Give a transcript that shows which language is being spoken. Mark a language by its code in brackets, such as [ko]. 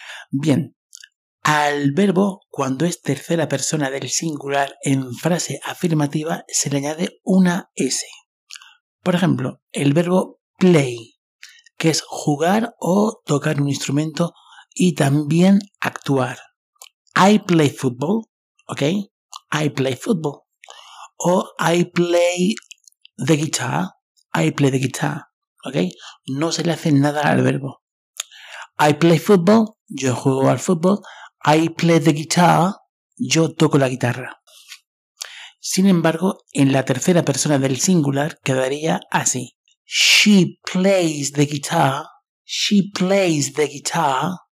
[es] Bien, al verbo, cuando es tercera persona del singular en frase afirmativa, se le añade una S. Por ejemplo, el verbo play, que es jugar o tocar un instrumento, y también actuar. [en] I play football, ¿ok? I play football. O I play the guitar, I play the guitar, ¿ok? [es] No se le hace nada al verbo. [en] I play football, [es] yo juego al fútbol. [en] I play the guitar, [es] yo toco la guitarra. Sin embargo, en la tercera persona del singular quedaría así. [en] She plays the guitar. She plays the guitar.